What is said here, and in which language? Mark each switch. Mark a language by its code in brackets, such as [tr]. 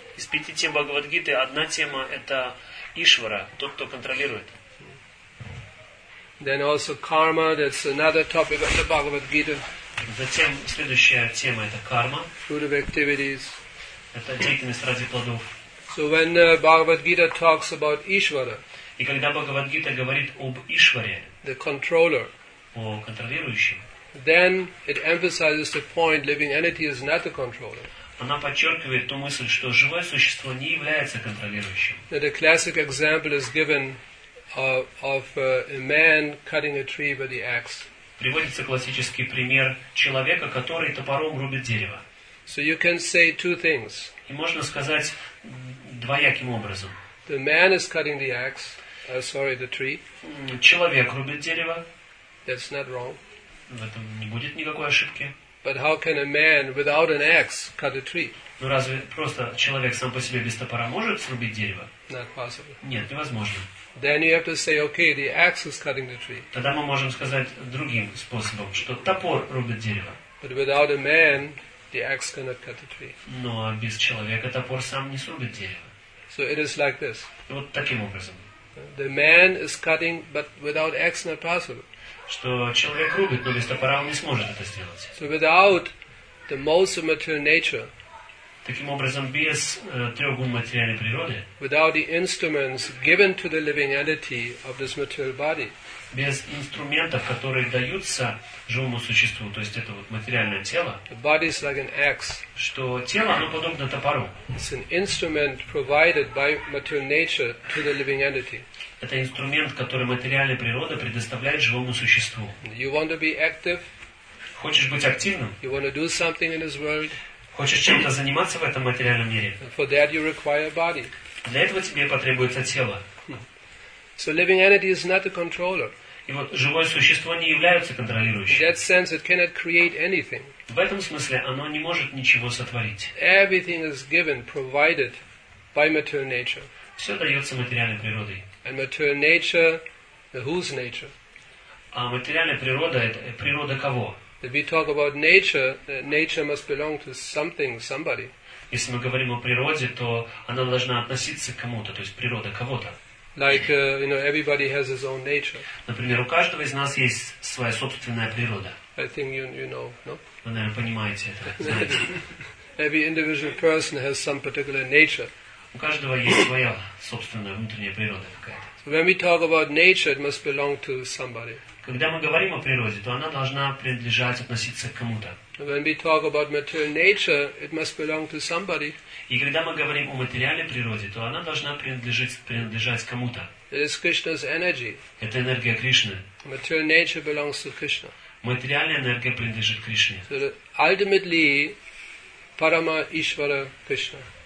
[ru] Из пяти тем Бхагавад-гиты одна тема это Ишвара, тот, кто контролирует. [en] Then also karma, that's another topic of the Bhagavad Gita. [ru] Затем следующая тема это карма. [en] Fruit of activities. [ru] Это деятельность ради плодов. [en] So when the Bhagavad Gita talks about Ishvara, [ru] и когда Бхагавад Гита говорит об Ишваре, [en] the controller, [ru] о контролирующем, [en] then it emphasizes the point living entity is not the controller. [ru] Она подчеркивает ту мысль, что живое существо не является контролирующим. [en] The classic example is given of a man cutting a tree with the axe. [ru] Приводится классический пример человека, который топором рубит дерево. [en] So you can say two things. [ru] И можно сказать двояким образом. [en] The man is cutting the axe. The tree. [ru] Человек рубит дерево. [en] That's not wrong. [ru] В этом не будет никакой ошибки. [en] But how can a man without an axe cut a tree? [ru] Ну разве просто человек сам по себе без топора может срубить дерево? [en] Not possible. [ru] Нет, невозможно. [en] Then you have to say, okay, the axe is cutting the tree. [ru] Тогда мы можем сказать другим способом, что топор рубит дерево. [en] But without a man, the axe cannot cut the tree. [ru] Но без человека топор сам не срубит дерево. [en] So it is like this. [ru] Вот таким образом. [en] The man is cutting, but without axe, not possible. [ru] Что человек рубит, но без топора он не сможет это сделать. [en] So without the most of material nature. [ru] Таким образом, без трех гун материальной природы, [en] without the instruments given to the living entity of this material body, [ru] без инструментов, которые даются живому существу, то есть это вот материальное тело, [en] the body is like an axe. [ru] Что тело, оно подобно топору. [en] It's an instrument provided by material nature to the living entity. [ru] Это инструмент, который материальная природа предоставляет живому существу. [en] You want to be active? [ru] Хочешь быть активным? [en] You want to do something in this world? [ru] Хочешь чем-то заниматься в этом материальном мире? [en] For that you require a body. [ru] Для этого тебе потребуется тело. [en] So living entity is not a controller. [ru] И вот живое существо не является контролирующим. [en] In that sense, it cannot create anything. [ru] В этом смысле оно не может ничего сотворить. [en] Everything is given, provided by material nature. [ru] Все дается материальной природой. [en] And material nature, whose nature? [ru] А материальная природа – это природа кого? [en] If we talk about nature, nature must belong to something, somebody. [ru] Если мы говорим о природе, то она должна относиться к кому-то, то есть природа кого-то. [en] Like, you know, everybody has his own nature. [ru] Например, у каждого из нас есть своя собственная природа. [en] I think you know, no? [ru] Вы, наверное, понимаете это, знаете. [en] Every individual person has some particular nature. [ru] У каждого есть своя собственная внутренняя природа какая-то. [en] So when we talk about nature, it must belong to somebody. [ru] Когда мы говорим о природе, то она должна принадлежать, относиться к кому-то. [en] When we talk about material nature, it must belong to somebody. [ru] И когда мы говорим о материальной природе, то она должна принадлежать кому-то. [en] It is Krishna's energy. [ru] Это энергия Кришны. [en] Material nature belongs to Krishna. [ru] Материальная энергия принадлежит Кришне. [en] So ultimately, Parama Ishvara Krishna.